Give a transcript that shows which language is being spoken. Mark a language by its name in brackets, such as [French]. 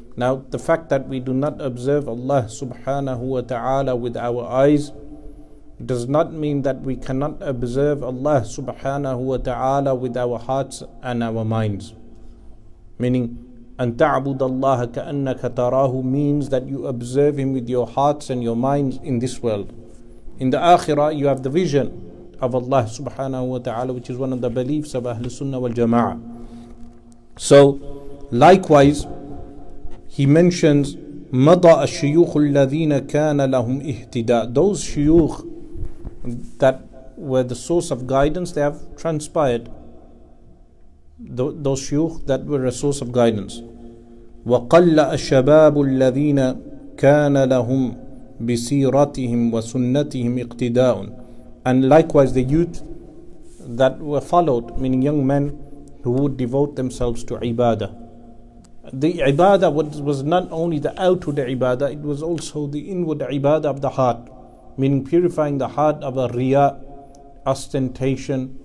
[English] Now, the fact that we do not observe Allah subhanahu wa ta'ala with our eyes does not mean that we cannot observe Allah subhanahu wa ta'ala with our hearts and our minds. Meaning, [Arabic] أن تعبد الله كأنك تراه [English] means that you observe Him with your hearts and your minds in this world. In the Akhirah, you have the vision of Allah subhanahu wa ta'ala, which is one of the beliefs of Ahl Sunnah wal Jama'ah. So, likewise, he mentions [Arabic] مضى الشيوخ الذين كان لهم اهتداء. [English] Those shuyukh that were the source of guidance, they have transpired. Those shuyukh that were a source of guidance. [Arabic] وقل الشباب الذين كان لهم بسيرتهم وسنتهم اقتداء. [English] And likewise the youth that were followed, meaning young men who would devote themselves to ibadah. The ibadah was not only the outward ibadah, it was also the inward ibadah of the heart, meaning purifying the heart of a riya, ostentation.